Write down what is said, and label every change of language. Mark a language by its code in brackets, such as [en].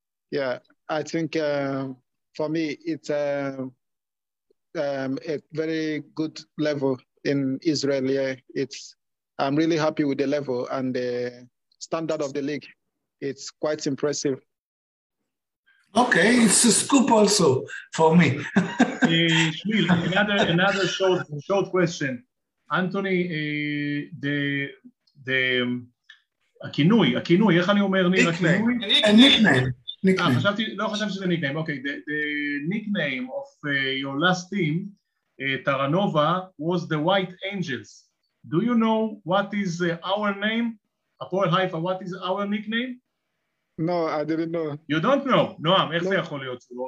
[en] Yeah, I think for me, it's a very good level in Israel. Yeah. I'm really happy with the level and the standard of the league. It's quite impressive. Okay, it's a scoop also for me. another short question. [he] Anthony, the הכינוי, הכינוי, איך אני אומר, ניר, הכינוי? הניקנאים. לא חשבתי שזה ניקנאים, אוקיי. [en] The nickname of your last team, Taranova, was the White Angels. Do you know what is our name? Apoel Haifa, what is our nickname? No, I didn't know. You don't know? [he] נועם, איך זה יכול להיות?